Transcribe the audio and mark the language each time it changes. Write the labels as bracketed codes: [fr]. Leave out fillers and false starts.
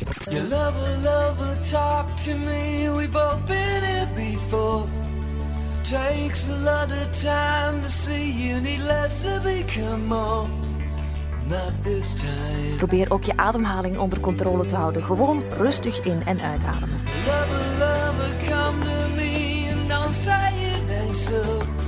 [en] Your lover, lover, talk to me. We've both been here before. Takes a lot of time to see you need less to become more. Not this time. [nl] Probeer ook je ademhaling onder controle te houden. Gewoon rustig in- en uitademen. [en] Your lover, lover, come to me and don't say it ain't so.